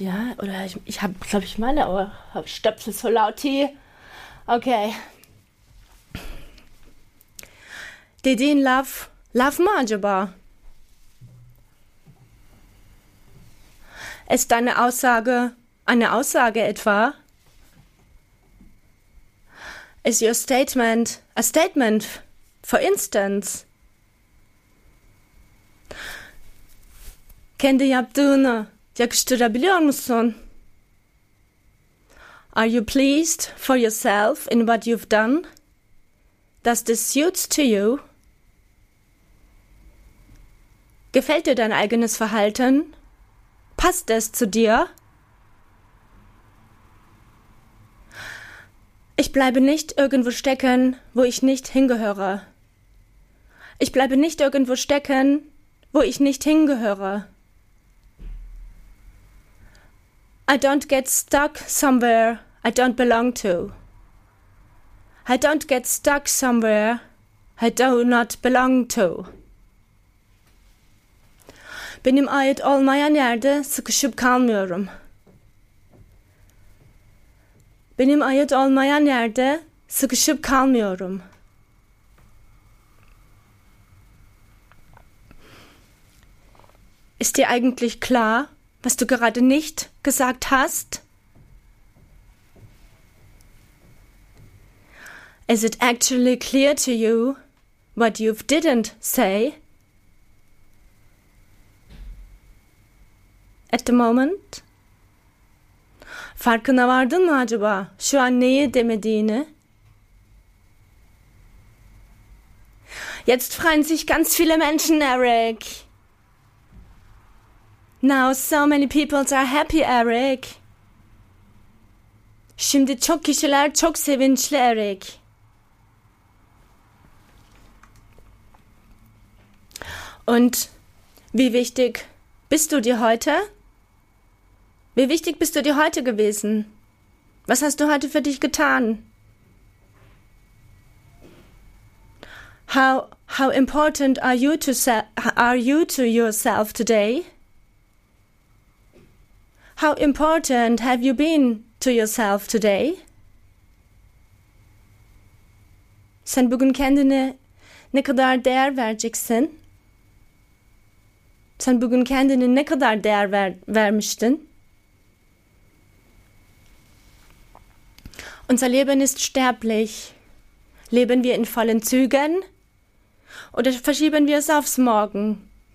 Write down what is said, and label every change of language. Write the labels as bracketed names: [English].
[German] Ja, oder ich habe, glaube ich, meine Ohr. Ich stöpsel so laut, T. Okay. Didi in Love, Love Manjaba. Ist deine Aussage eine Aussage etwa? [English] Is your statement a statement, for instance? [Turkish] Kendi yaptığını yakıştırabiliyor musun? [English] Are you pleased for yourself in what you've done? Does this suit to you? [German] Gefällt dir dein eigenes Verhalten? Passt es zu dir? Ich bleibe nicht irgendwo stecken, wo ich nicht hingehöre. Ich bleibe nicht irgendwo stecken, wo ich nicht hingehöre. [English] I don't get stuck somewhere I don't belong to. I don't get stuck somewhere I do not belong to. [Turkish] Benim ait olmayan yerde sıkışıp kalmıyorum. Benim ait olmayan yerde sıkışıp kalmıyorum. [German] Ist dir eigentlich klar, was du gerade nicht gesagt hast? [English] Is it actually clear to you what you didn't say? At the moment? [Turkish] Farkına vardın mı acaba şu an neyi demediğini? [German] Jetzt freuen sich ganz viele Menschen, Eric. [English] Now so many people are happy, Eric. [Turkish] Şimdi çok kişiler çok sevinçli Eric. [German] Und wie wichtig bist du dir heute? Wie wichtig bist du dir heute gewesen? Was hast du heute für dich getan? [English] How important are you to yourself today? How important have you been to yourself today? [Turkish] Sen bugün kendine ne kadar değer vereceksin? Sen bugün kendine ne kadar değer vermiştin? [German] Unser Leben ist sterblich. Leben wir in vollen Zügen? Oder verschieben wir es aufs Morgen?